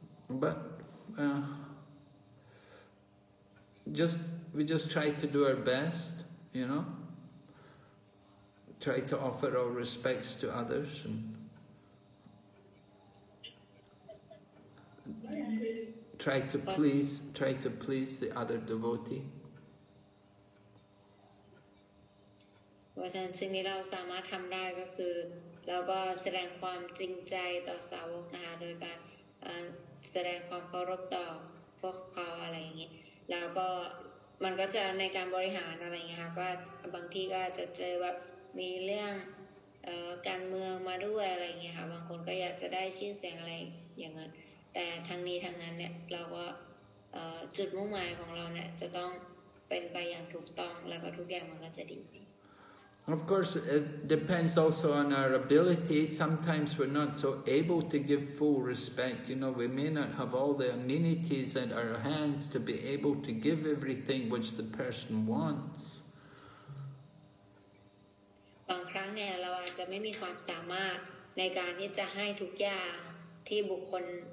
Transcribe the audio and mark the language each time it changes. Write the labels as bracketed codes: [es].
[en] But we just try to do our best, you know. Try to offer our respects to others andTry to please the other devotee. [th] เพราะฉะนั้นสิ่งที่เราสามารถทำได้ก็คือเราก็แสดงความจริงใจต่อสาวกนะคะโดยการแสดงความเคารพต่อพวกเขาอะไรอย่างเงี้ยแล้วก็มันก็จะในการบริหารอะไรเงี้ยก็บางทีก็จะเจอแบบมีเรื่องการเมืองมาด้วยอะไรเงี้ยค่ะบางคนก็อยากจะได้ชื่อเสียงอะไรอย่างเงี้ยแต่ทั้งนี้ทั้งนั้นเนี่ยเราก็จุดมุ่งหมายของเราเนี่ยจะต้องเป็นไปอย่างถูกต้องแล้วก็ทุกอย่างมันก็จะดี [en] Of course it depends also on our ability. Sometimes we're not so able to give full respect, you know, we may not have all the amenities at our hands to be able to give everything which the person wants. [th] บางครั้งเนี่ยเราอาจจะไม่มีความสามารถในการที่จะให้ทุกอย่างที่บุคคล